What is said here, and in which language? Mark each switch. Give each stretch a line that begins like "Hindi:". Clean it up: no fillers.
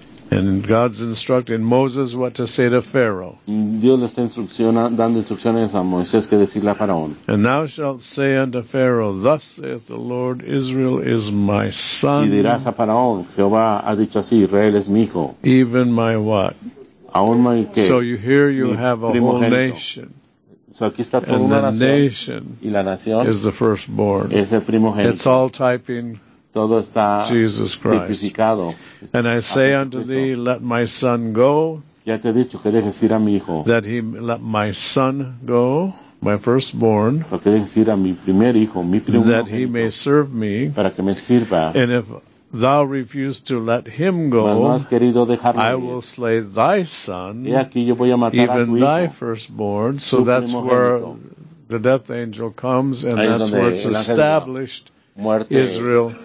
English: And God's instructing Moses what to say to Pharaoh.
Spanish: Dios le está dando instrucciones a Moisés que decirle a Faraón.
English: And thou shalt say unto Pharaoh, thus saith the Lord, Israel is my son.
Spanish: Y dirás a Faraón, Jehová ha dicho así, Israel es mi hijo.
English: Even my what?
Spanish: Aún
English: my
Spanish: qué?
English: So you here you have a whole nation.
Spanish: So aquí está toda una nación.
English: And the nation
Spanish: y la nación
English: is the firstborn.
Spanish: Es el primogénito.
English: It's all typing.
Spanish: Todo está
English: Jesus Christ. And I say unto thee, let my son go.
Spanish: Ya te he dicho que dejes ir a mi hijo.
English: That he let my son go, my firstborn.
Spanish: Porque dejes ir a mi primer hijo, mi primer
English: that he may serve me.
Spanish: Para que me sirva.
English: And if thou refuse to let him go,
Spanish: no
English: I will slay thy son,
Spanish: aquí yo voy a matar
English: even
Spanish: a
English: thy
Spanish: hijo.
English: Firstborn. So that's where the death angel comes, and
Spanish: ahí
English: that's where it's established.
Spanish: Muerte
English: Israel